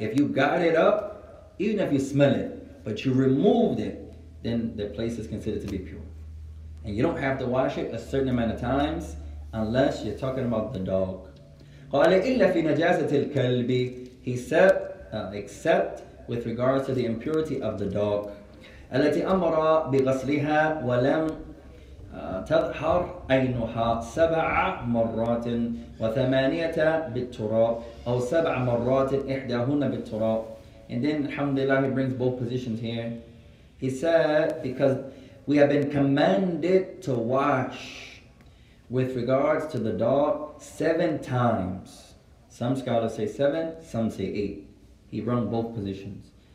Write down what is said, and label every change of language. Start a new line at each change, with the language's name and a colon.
English: If you got it up, even if you smell it, but you removed it, then the place is considered to be pure, and you don't have to wash it a certain amount of times unless you're talking about the dog.
Arabic: قال إلا في نجاسة الكلب,
English: he said, except with regards to the impurity of the dog.
Arabic: التي أمر بغسلها ولم تظهر عينها 7 مرات و8 بالتراب أو 7 مرات إحداهن بالتراب.
English: And then alhamdulillah, he brings both positions here. He said, because we have been commanded to wash with regards to the dog 7 times. Some scholars say 7, some say 8. He brought both positions.